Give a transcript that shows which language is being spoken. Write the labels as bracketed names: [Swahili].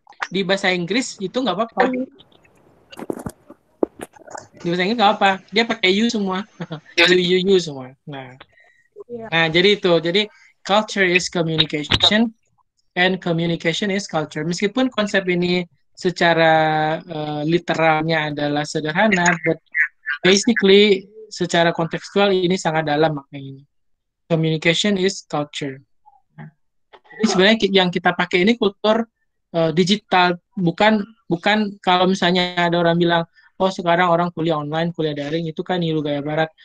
[Indonesian] Di bahasa Inggris itu nggak apa-apa. Di bahasa Inggris nggak apa. Dia pakai you semua. You semua. Nah. Nah, jadi itu. [English] Jadi culture is communication and communication is culture. [Indonesian] Meskipun konsep ini secara literalnya adalah sederhana, [English] but basically [Indonesian] secara kontekstual ini sangat dalam maknanya. [English] Communication is culture. [Indonesian] Jadi sebenarnya yang kita pakai ini kultur digital, bukan kalau misalnya ada orang bilang, oh sekarang orang kuliah online, kuliah daring, itu kan niru gaya barat.